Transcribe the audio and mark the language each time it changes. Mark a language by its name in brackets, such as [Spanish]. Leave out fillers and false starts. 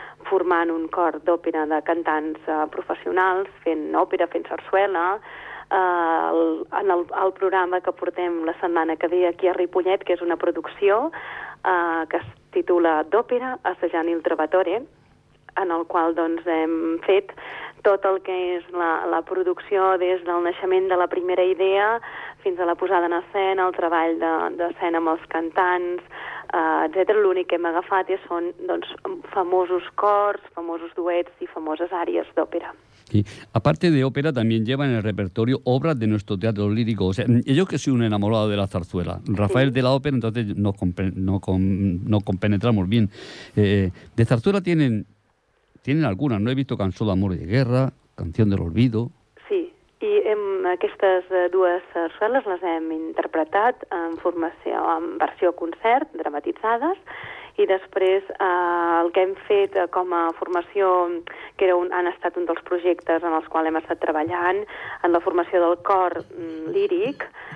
[Catalan] formant un cor d'òpera de cantants professionals, fent òpera, fent sarsuela, en el programa que portem la setmana que ve aquí a Ripollet, que és una producció que es titula D'òpera, assajant il trovatore, en el qual doncs, hem fet tot el que és la producció des del naixement de la primera idea fins a la posada en escena, el treball d'escena amb els cantants, etc. L'únic que hem agafat són doncs, famosos cors, famosos duets i famoses àries d'òpera. Sí. [Spanish] Aparte de ópera, también lleva en el repertorio obras de nuestro teatro lírico. O sea, yo que soy un enamorado de la zarzuela, Rafael sí. De la ópera, entonces no compenetramos bien. De zarzuela tienen algunas, no he visto Can solo amor y guerra, Canción del olvido. [Catalan] Sí, y aquestes dues zarzuelas las hem interpretat en formació, en versió concert, dramatitzades. I després el que hem fet com a formació, que han estat un dels projectes en els quals hem estat treballant, en la formació del cor líric,